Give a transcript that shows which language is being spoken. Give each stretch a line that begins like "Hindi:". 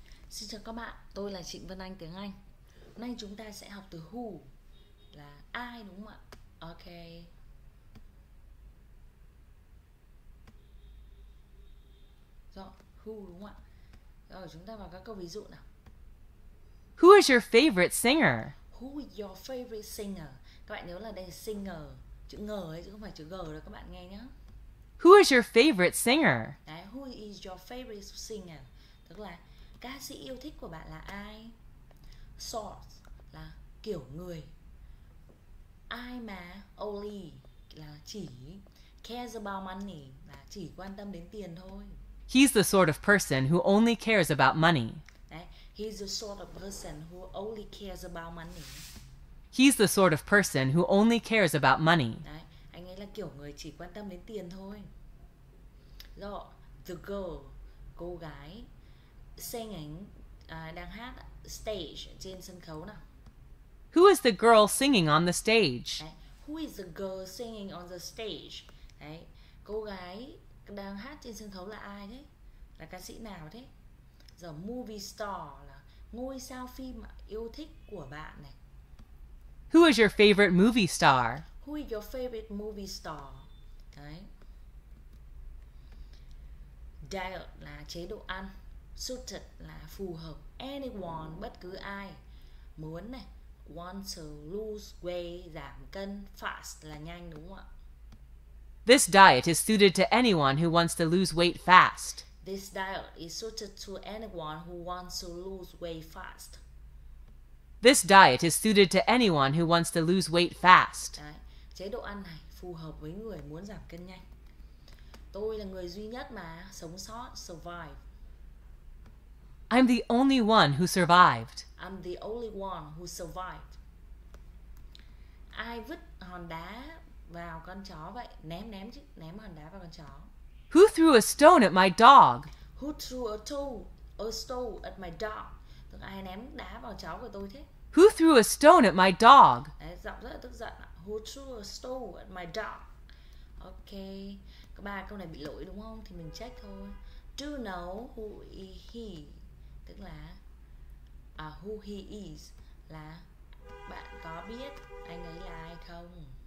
Vietnamese: Xin chào các bạn, tôi là Trịnh Vân Anh tiếng Anh. Hôm nay chúng ta sẽ học từ who, là ai đúng không ạ? Ok. Rồi, who đúng không ạ? Rồi, chúng ta vào các câu ví dụ nào.
English: Who is your favorite singer? Who is your favorite singer?
Vietnamese: Các bạn nhớ là đây là singer, chữ ng ấy chứ không phải chữ g đâu các bạn nghe nhé.
English: Who is your favorite singer? Đấy, who is your favorite singer?
Vietnamese: Tức là ca sĩ yêu thích của bạn là ai? Sort là kiểu người. Ai mà only là chỉ.
English: Cares about money
Vietnamese: là chỉ quan tâm đến tiền thôi.
English: He's the sort of person who only cares about money. Đấy, he's the sort of person who only cares about money. He's the sort of person who only cares about money.
Vietnamese: Đấy, anh ấy là kiểu người chỉ quan tâm đến tiền thôi. Rồi,
English: the girl,
Vietnamese: cô gái. Singing, đang hát stage trên sân khấu nào.
English: Who is the girl singing on the stage? Đấy, who is the girl singing on the stage?
Vietnamese: Đấy, cô gái đang hát trên sân khấu là ai thế? Là ca sĩ nào thế? Giờ movie star là ngôi sao phim yêu thích của bạn này.
English: Who is your favorite movie star? Who is your favorite movie star?
Vietnamese: Đấy. Diet là chế độ ăn. Suited là phù hợp. Anyone, bất cứ ai. Muốn này.
English: Want to lose weight,
Vietnamese: giảm cân. Fast là nhanh đúng không ạ?
English: This diet is suited to anyone who wants to lose weight fast. This diet is suited to anyone who wants to lose weight fast. This diet is suited to anyone who wants to lose weight fast.
Vietnamese: Đấy. Chế độ ăn này phù hợp với người muốn giảm cân nhanh. Tôi là người duy nhất mà sống sót, survive.
English: I'm the only one who survived. I'm the only one who survived.
Vietnamese: Ai vứt hòn đá vào con chó vậy? Ném ném chứ, ném hòn đá vào con chó.
English: Who threw a stone at my dog? Who threw a stone at my dog?
Vietnamese: Tức ai ném đá vào chó của tôi thế?
English: Who threw a stone at my dog?
Vietnamese: Đấy, giọng rất là tức giận.
English: Who threw a stone at my dog?
Vietnamese: Ok, có ba câu này bị lỗi đúng không? Thì mình check thôi.
English: Do know who is he?
Vietnamese: Tức là who he is là bạn có biết anh ấy là ai không?